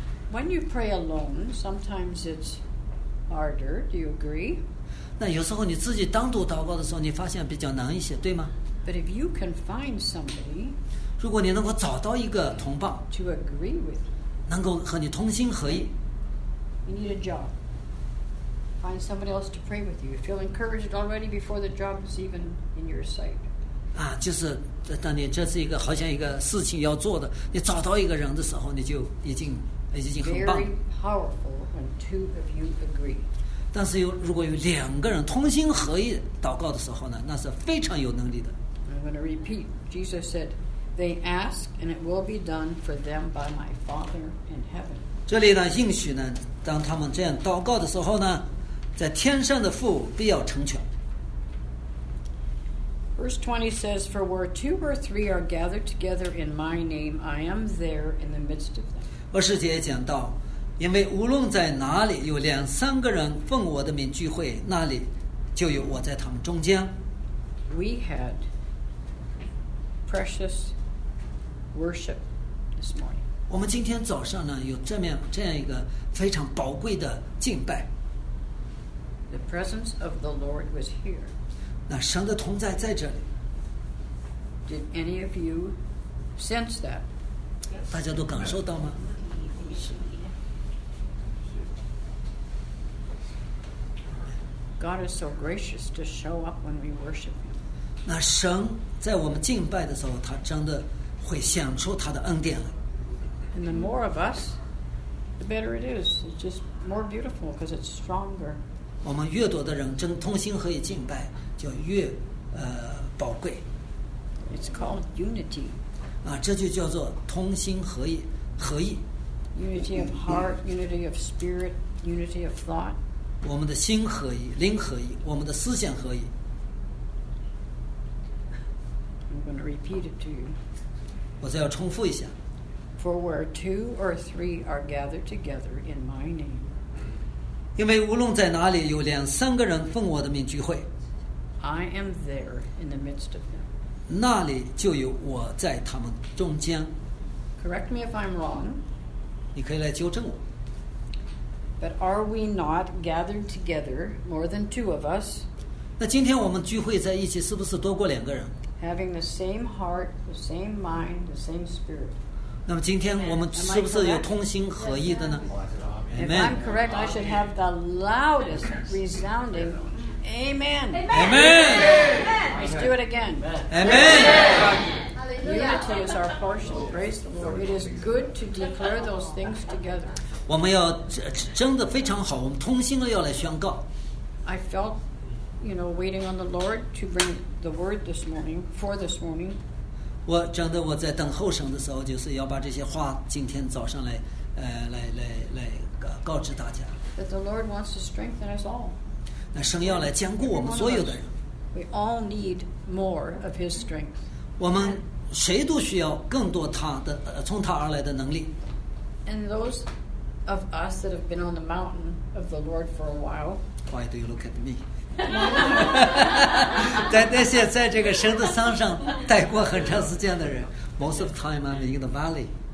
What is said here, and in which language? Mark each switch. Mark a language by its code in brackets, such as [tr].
[en] When you pray alone, sometimes it's harder. Do you agree? [zh] 那有时候你自己单独祷告的时候，你发现比较难一些，对吗？ [en] But if you can find somebody, [zh] 如果你能够找到一个同伴 [en] to agree with you, [zh] 能够和你同心合意 [en] you need a job. Find somebody else to pray with you. You feel encouraged already before the job is even in your sight. [zh] 啊，就是。当你这是一个好像一个事情要做的，你找到一个人的时候，你就已经很棒。 [en] Very powerful when two of you agree. [zh] 但是如果有两个人同心合意祷告的时候呢，那是非常有能力的。 [en] I'm going to repeat. Jesus said, "They ask, and it will be done for them by my Father in heaven." [zh] 这里呢，应许呢，当他们这样祷告的时候呢，在天上的父必要成全。 [en] Verse 20 says, For where two or three are gathered together in my name, I am there in the midst of them. [zh] 二十节讲到，因为无论在哪里有两三个人奉我的名聚会，那里就有我在他们中间。 [en] We had precious worship this morning. [zh] 我们今天早上呢，有这样一个非常宝贵的敬拜。 [en] The presence of the Lord was here. [zh] 那神的同在在这里。 [en] Did any of you sense that? [zh] 大家都感受到吗？是。 [en] God is so gracious to show up when we worship Him. [zh] 那神在我们敬拜的时候，他真的会显出他的恩典来。 [en] And the more of us, the better it is. It's just more beautiful because it's stronger. [zh] 我们越多的人真同心合意敬拜。叫越宝贵。 [en] It's called unity. [zh] 啊，这就叫做同心合意，合意。 [en] Unity of heart, unity of spirit, unity of thought. [zh] 我们的心合意，灵合意，我们的思想合意。 [en] I'm going to repeat it to you. [zh] 我再要重复一下。 [en] For where two or three are gathered together in my name. [zh] 因为无论在哪里有两三个人奉我的名聚会。 [en] I am there in the midst of them. [zh] 那里就有我在他们中间。 [en] Correct me if I'm wrong. [zh] 你可以来纠正我。 [en] But are we not gathered together more than two of us? [zh] 那今天我们聚会在一起是不是多过两个人？ [en] Having the same heart, the same mind, the same spirit. [zh] 那么今天我们是不是有同心合意的呢？ [en] Amen. If I'm correct, I should have the loudest resounding. Amen. Amen. Amen. Let's do it again. Amen. Unity is our portion. Praise the Lord. It is good to declare those things together. [zh] 我们要真的非常好，我们同心的要来宣告。 [en] I felt, you know, waiting on the Lord to bring the word this morning for this morning. [zh] 我真的我在等候神的时候，就是要把这些话今天早上来，来告知大家。 [en] That the Lord wants to strengthen us all. [zh] 那神要来坚固我们所有的人。 [en] We all need more of His strength. [zh] 我们谁都需要更多他的从他而来的能力。 [en] And those of us that have been on the mountain of the Lord for a while. Why do you look at me? [zh] 在那些在这个神的山上待过很长时间的人 ， [en] most of time I'm in the valley.